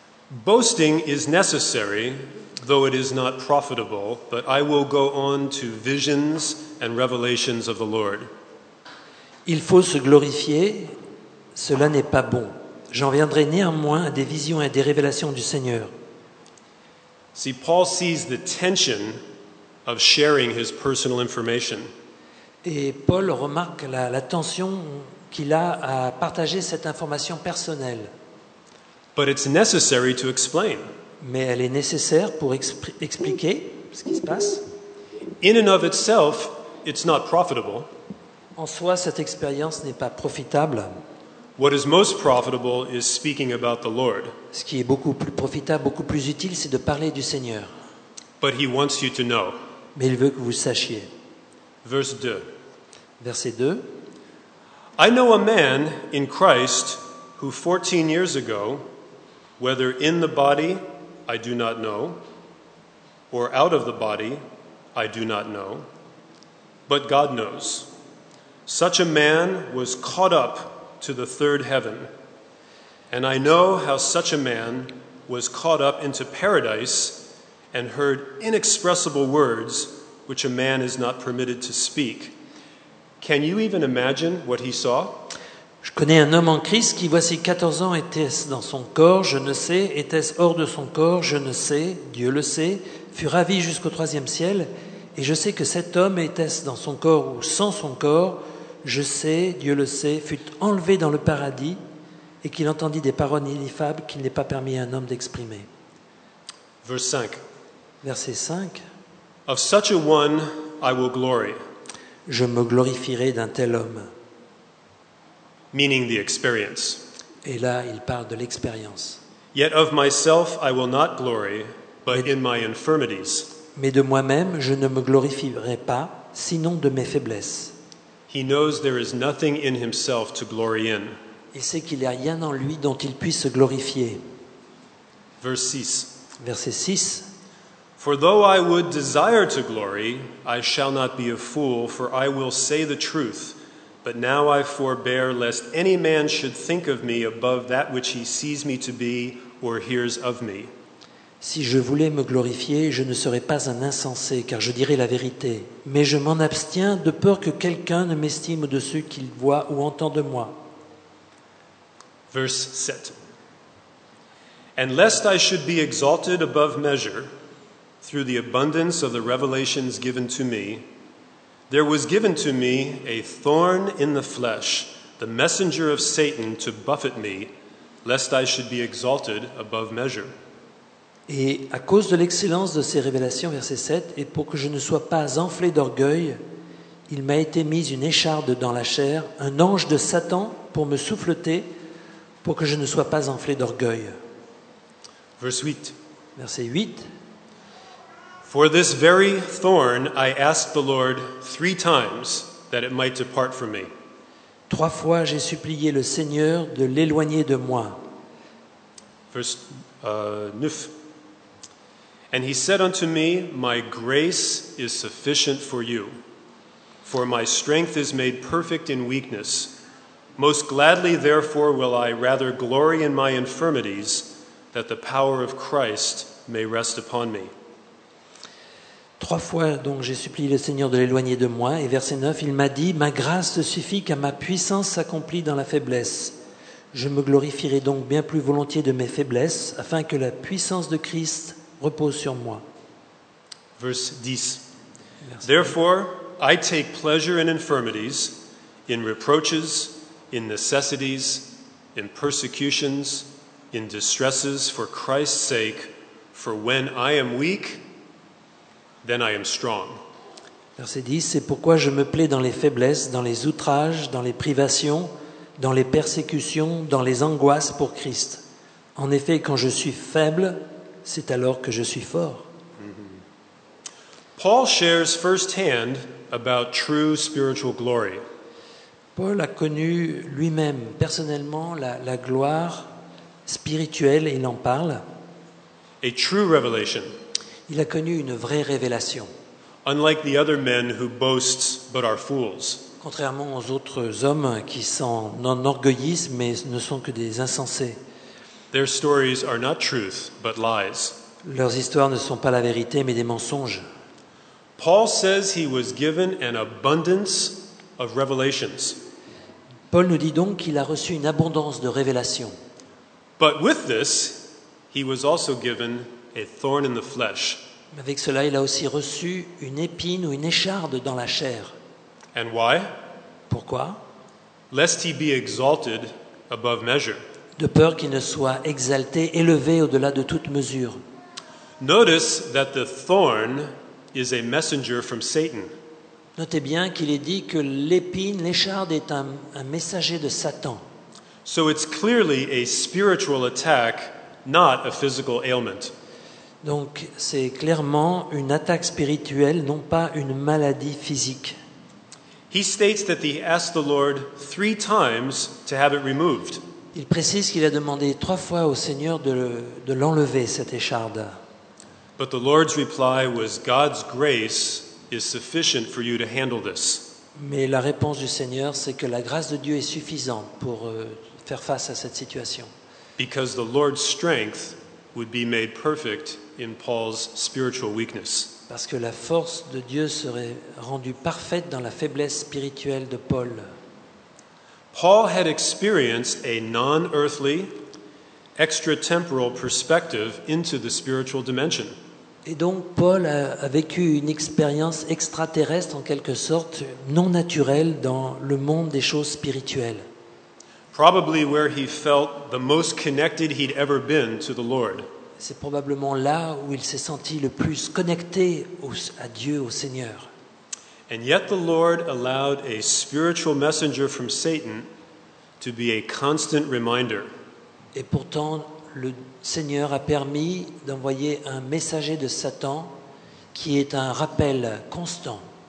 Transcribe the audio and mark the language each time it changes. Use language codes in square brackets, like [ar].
[en] Boasting is necessary, though it is not profitable, but I will go on to visions and revelations of the Lord. [fr] Il faut se glorifier, cela n'est pas bon. J'en viendrai néanmoins à des visions et à des révélations du Seigneur. [en] See, Paul sees the tension of sharing his personal information. [fr] Et Paul remarque la tension qu'il a à partager cette information personnelle. [en] But it's necessary to explain. [fr] Mais elle est nécessaire pour expliquer ce qui se passe. [en] In and of itself, it's not profitable. [fr] En soi, cette expérience n'est pas profitable. [en] What is most profitable is speaking about the Lord. [fr] Ce qui est beaucoup plus profitable, beaucoup plus utile, c'est de parler du Seigneur. [en] But he wants you to know. [fr] Mais il veut que vous sachiez. [en] Verse 2. [fr] Verset 2. [en] I know a man in Christ who 14 years ago, whether in the body, I do not know, or out of the body, I do not know, but God knows. Such a man was caught up to the third heaven. And I know how such a man was caught up into paradise and heard inexpressible words which a man is not permitted to speak. Can you even imagine what he saw? [fr] Je connais un homme en Christ qui, voici 14 ans, était-ce dans son corps, je ne sais, était-ce hors de son corps, je ne sais, Dieu le sait, fut ravi jusqu'au troisième ciel, et je sais que cet homme, était-ce dans son corps ou sans son corps, je sais, Dieu le sait, fut enlevé dans le paradis et qu'il entendit des paroles ineffables qu'il n'est pas permis à un homme d'exprimer. [en] Verse 5. [fr] Verset 5. [en] Of such a one I will glory. [fr] Je me glorifierai d'un tel homme. [en] Meaning the experience. [fr] Et là, il parle de l'expérience. [en] Yet of myself I will not glory, but in my infirmities. [fr] Mais de moi-même, je ne me glorifierai pas, sinon de mes faiblesses. [en] He knows there is nothing in himself to glory in. [fr] Il sait qu'il n'y a rien en lui dont il puisse se glorifier. [en] Verse 6. [fr] Verset 6. [en] For though I would desire to glory, I shall not be a fool, for I will say the truth. But now I forbear lest any man should think of me above that which he sees me to be or hears of me. [fr] Si je voulais me glorifier, je ne serais pas un insensé, car je dirais la vérité. Mais je m'en abstiens de peur que quelqu'un ne m'estime au-dessus qu'il voit ou entend de moi. [en] Verse 7. And lest I should be exalted above measure through the abundance of the revelations given to me, there was given to me a thorn in the flesh, the messenger of Satan to buffet me, lest I should be exalted above measure. [fr] Et à cause de l'excellence de ces révélations, verset 7, et pour que je ne sois pas enflé d'orgueil, il m'a été mis une écharde dans la chair, un ange de Satan pour me souffleter, pour que je ne sois pas enflé d'orgueil. [en] Verse 8. [fr] Verset 8. [en] For this very thorn, I asked the Lord three times that it might depart from me. [fr] Trois fois, j'ai supplié le Seigneur de l'éloigner de moi. [en] Verse 9. And he said unto me, My grace is sufficient for you, for my strength is made perfect in weakness. Most gladly, therefore, will I rather glory in my infirmities, that the power of Christ may rest upon me. [fr] Trois fois, donc, j'ai supplié le Seigneur de l'éloigner de moi. Et verset 9, il m'a dit, Ma grâce te suffit car ma puissance s'accomplit dans la faiblesse. Je me glorifierai donc bien plus volontiers de mes faiblesses, afin que la puissance de Christ repose sur moi. [en] verse 10. Therefore, I take pleasure in infirmities, in reproaches, in necessities, in persecutions, in distresses for Christ's sake, for when I am weak, then I am strong. [fr] Verset 10, c'est pourquoi je me plais dans les faiblesses, dans les outrages, dans les privations, dans les persécutions, dans les angoisses pour Christ. En effet, quand je suis faible, c'est alors que je suis fort. [en] Paul shares firsthand about true spiritual glory. [fr] Paul a connu lui-même personnellement la gloire spirituelle et il en parle. [en] A true revelation. [fr] Il a connu une vraie révélation. [en] Unlike the other men who boast but are fools. [fr] Contrairement aux autres hommes qui s'en enorgueillissent mais ne sont que des insensés. [en] Their stories are not truth but lies. [fr] Leurs histoires ne sont pas la vérité mais des mensonges. [en] Paul says he was given an abundance of revelations. [fr] Paul nous dit donc qu'il a reçu une abondance de révélations. [en] But with this, he was also given a thorn in the flesh. [fr] Mais avec cela, il a aussi reçu une épine ou une écharde dans la chair. [en] And why? [fr] Pourquoi? [en] Lest he be exalted above measure. [fr] De peur qu'il ne soit exalté, élevé au-delà de toute mesure. [en] Notice that the thorn is a messenger from Satan. [fr] Notez bien qu'il est dit que l'épine, l'écharde est un messager de Satan. [en] So it's clearly a spiritual attack, not a physical ailment. [fr] Donc c'est clairement une attaque spirituelle, non pas une maladie physique. [en] He states that he asked the Lord three times to have it removed. [fr] Il précise qu'il a demandé trois fois au Seigneur de l'enlever cette écharde. [en] But the Lord's reply was, God's grace is sufficient for you to handle this. [fr] Mais la réponse du Seigneur, c'est que la grâce de Dieu est suffisante pour faire face à cette situation. [en] Because the Lord's strength would be made perfect in Paul's spiritual weakness. [fr] Parce que la force de Dieu serait rendue parfaite dans la faiblesse spirituelle de Paul. [en] Paul had experienced a non-earthly, extra-temporal perspective into the spiritual dimension. [fr] Et donc Paul a vécu une expérience extraterrestre en quelque sorte non naturelle dans le monde des choses spirituelles. [en] Probably where he felt the most connected he'd ever been to the Lord. [fr] C'est probablement là où il s'est senti le plus connecté à Dieu, au Seigneur. [en] And yet the Lord allowed a spiritual messenger from Satan to be a constant reminder. [fr] Et pourtant, le Seigneur a permis d'envoyer un messager de Satan qui est un rappel constant.